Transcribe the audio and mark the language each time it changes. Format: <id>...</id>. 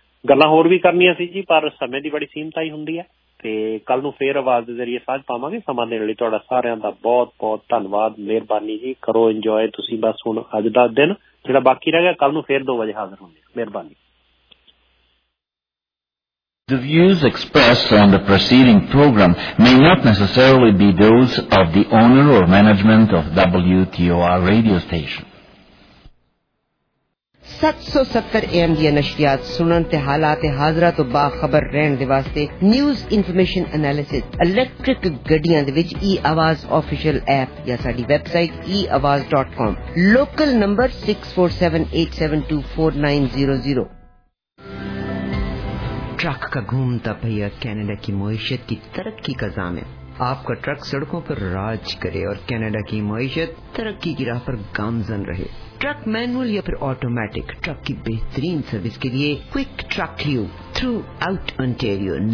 <pa>ਗੱਲਾਂ ਹੋਰ ਵੀ ਕਰਨੀਆਂ ਸੀ ਜੀ ਪਰ ਸਮੇਂ ਦੀ ਬੜੀ ਸੀਮਤਾ ਹੀ ਹੁੰਦੀ ਹੈ ਤੇ ਕੱਲ ਨੂੰ ਫੇਰ ਆਵਾਜ਼ ਦੇ ਜ਼ਰੀਏ ਸਾਂਝ ਪਾਵਾਂਗੇ ਸਮਾਂ ਦੇਣ ਲਈ ਤੁਹਾਡਾ ਸਾਰਿਆਂ ਦਾ ਬਹੁਤ ਬਹੁਤ ਧੰਨਵਾਦ ਮਿਹਰਬਾਨੀ ਜੀ ਕਰੋ ਇੰਜੋਏ ਤੁਸੀਂ ਬਸ ਹੁਣ ਅੱਜ ਦਾ ਦਿਨ ਜਿਹੜਾ ਬਾਕੀ ਰਹਿ ਗਿਆ ਕੱਲ ਨੂੰ ਫੇਰ 2 ਵਜੇ ਹਾਜ਼ਰ ਹੁੰਦੇ ਮਿਹਰਬਾਨੀ</pa> <en>The views expressed on the preceding program may not necessarily be those of the owner or management of WTOR radio station.</en> <pa>770 AM ਦੀਆਂ ਨਸ਼ਰੀਆਤ ਸੁਣਨ ਤੇ ਹਾਲਾਤ ਤੇ ਹਾਜ਼ਰਾਂ ਤੋਂ ਬਾਖਬਰ ਰਹਿਣ ਦੇ ਵਾਸਤੇ ਨਿਊਜ਼ ਇਨਫੋਰਮੇਸ਼ਨ ਅਨਾਲਿਸਿਸ ਇਲੈਕਟ੍ਰਿਕ ਗੱਡੀਆਂ ਦੇ ਵਿੱਚ ਈ ਆਵਾਜ਼ ਆਫੀਸ਼ੀਅਲ ਐਪ ਜਾਂ ਸਾਡੀ ਵੈਬਸਾਈਟ ਈ ਆਵਾਜ਼ .com ਲੋਕਲ ਨੰਬਰ 6478724900</pa> <ur>ٹرک کا گھومتا پہیا کینیڈا کی معیشت کی ترقی کا ضامن آپ کا ٹرک سڑکوں پر راج کرے اور کینیڈا کی معیشت ترقی کی راہ پر گامزن رہے ٹرک مینول یا پھر آٹومیٹک ٹرک کی بہترین سروس کے لیے کوئک ٹرک لیو تھرو آؤٹ انٹیریو</ur>